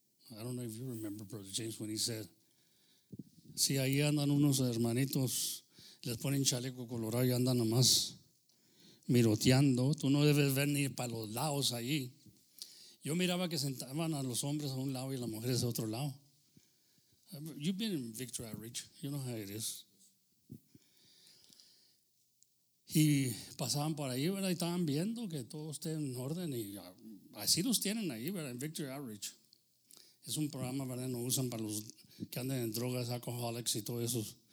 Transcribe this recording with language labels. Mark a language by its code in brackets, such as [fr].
[en] I don't know if you remember, Brother James, when he said, [es] si ahí andan unos hermanitos, les ponen chaleco colorado y andan nomás miroteando, tú no debes ver ni para los lados ahí. Yo miraba que sentaban a los hombres a un lado y a las mujeres a otro lado. [en] You've been in Victory Outreach, you know how it is. [es] Y pasaban por ahí, ¿verdad? Y estaban viendo que todo esté en orden y así los tienen ahí, ¿verdad? En Victory Outreach. Es un programa, ¿verdad? No usan para los que andan en drogas, alcoholics y todo eso.